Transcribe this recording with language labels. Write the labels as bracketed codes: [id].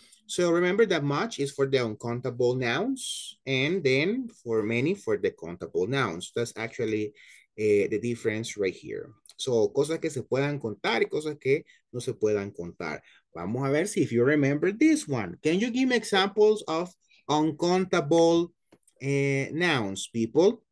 [en] So remember that much is for the uncountable nouns, and then for many for the countable nouns. That's actually the difference right here. [es] So cosas que se puedan contar y cosas que no se puedan contar. Vamos a ver si [en] if you remember this one. Can you give me examples of uncountable nouns, people?